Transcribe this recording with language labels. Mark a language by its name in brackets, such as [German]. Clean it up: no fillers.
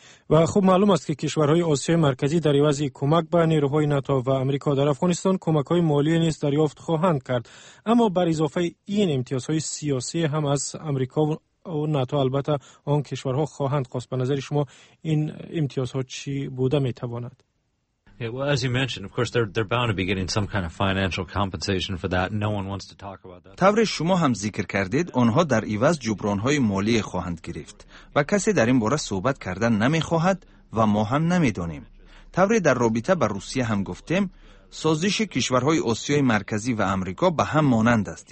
[Persian] و خوب معلوم است که کشورهای آسیای مرکزی در عوض کمک به نیروهای ناتو و آمریکا در افغانستان کمک‌های مالی نیز دریافت خواهند کرد. اما بر اضافه این امتیازهای سیاسی هم از آمریکا و ناتو البته آن کشورها خواهند خواست. به نظر شما این امتیازها چی بوده می‌تواند؟ [English] As you mentioned, of course, they're bound to be getting some kind of financial compensation for that. No one wants to talk about that. [Persian] طور شما هم ذکر کردید، آنها در عوض جبران‌های مالی خواهند گرفت و کسی در این باره صحبت کردن نمی‌خواهد و ما هم نمی‌دانیم. طور در رابطه با روسیه هم گفتیم، سازش کشورهای آسیای مرکزی و آمریکا به هم مانند است.